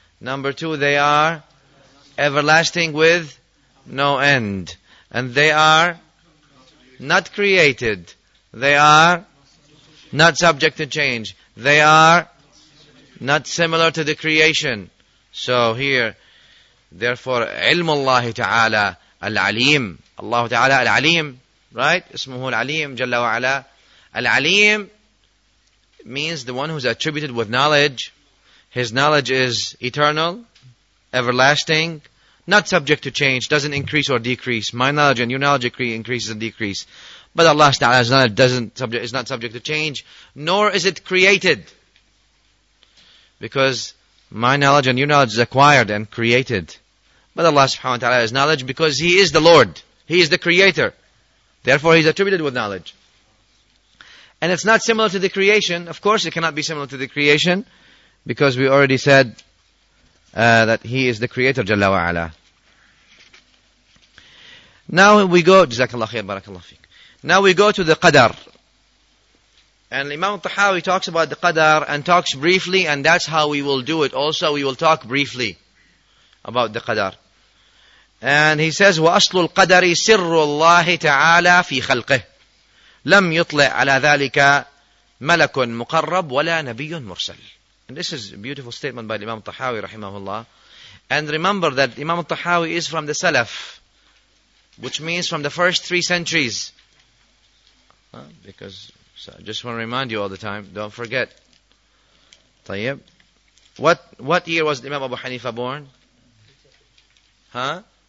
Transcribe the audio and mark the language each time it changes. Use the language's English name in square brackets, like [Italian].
[English] Number two, they are everlasting with no end. And they are not created. They are not subject to change. They are not similar to the creation. So here, therefore, [Arabic] علم الله تعالى العليم. الله تعالى العليم. Right? اسمه العليم جل وعلا. [English] العليم means the one who is attributed with knowledge. His knowledge is eternal, everlasting, not subject to change, doesn't increase or decrease. My knowledge and your knowledge increases and decreases. But Allah ta'ala's knowledge is not subject to change, nor is it created. Because my knowledge and your knowledge is acquired and created. But Allah subhanahu wa ta'ala has knowledge because He is the Lord. He is the Creator. Therefore, He's attributed with knowledge. And it's not similar to the creation. Of course, it cannot be similar to the creation. Because we already said that He is the Creator, Jalla wa Ala. Now we go, Jazakallah khair, Barakallah fiqh. Now we go to the Qadar. And Imam al-Tahawi talks about the Qadar and talks briefly, and that's how we will do it. Also, we will talk briefly about the Qadar. And he says, [Arabic] وَأَصْلُ الْقَدَرِ سِرُّ اللَّهِ تَعَالَى فِي خَلْقِهِ لَمْ يُطْلِعْ عَلَى ذَلِكَ مَلَكٌ مُقَرَّبْ وَلَا نَبِيٌ مُرْسَلٌ. [English] And this is a beautiful statement by Imam al-Tahawi, rahimahullah. And remember that Imam al-Tahawi is from the Salaf, which means from the first three centuries. So I just want to remind you all the time, don't forget. [Arabic] طيب. [English] What year was Imam Abu Hanifa born? Huh?